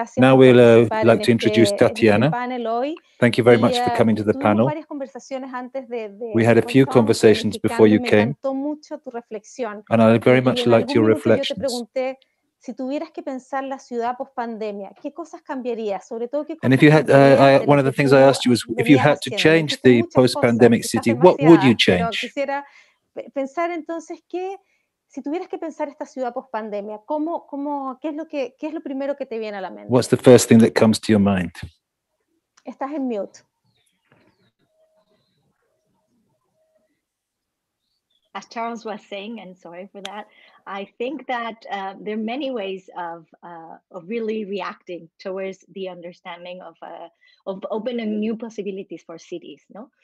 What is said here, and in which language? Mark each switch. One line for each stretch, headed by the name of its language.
English: Now we'll like to introduce Tatiana. Thank you very much for coming to the panel. We had a few conversations before you came, and I very much liked your reflections.
Spanish: Si tuvieras que pensar la ciudad post pandemia, ¿qué cosas cambiarías? Sobre todo, ¿qué cosas?
English: And if you had, one of the things I asked you was, if you had to change the post-pandemic city, what would you change?
Spanish: Quisiera pensar entonces que si tuvieras que pensar esta ciudad post pandemia, ¿cómo qué es lo primero que te viene a la mente?
English: What's the first thing that comes to your mind?
Spanish: Estás en mute.
English: As Charles was saying, and sorry for that, I think that there are many ways of really reacting towards the understanding of opening new possibilities for cities, no?